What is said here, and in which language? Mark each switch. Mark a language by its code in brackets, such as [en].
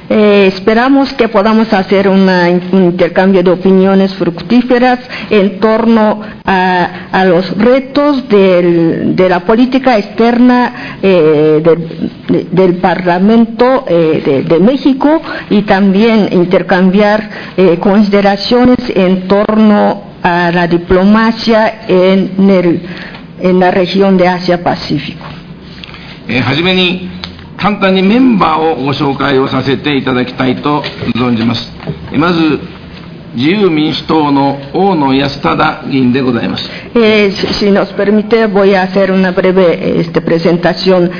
[es] Esperamos que podamos hacer una, un intercambio de opiniones fructíferas en torno a, a los retos del, de la política externa del Parlamento de México, y también intercambiar consideraciones en torno a la diplomacia en, el, en la región de Asia-Pacífico. [ja] はじめに簡単にメンバーをご紹介をさせていただきたいと存じます。まず自由民主党の大野康忠議員でございます。 [es] Si nos permite, voy a hacer una breve presentación.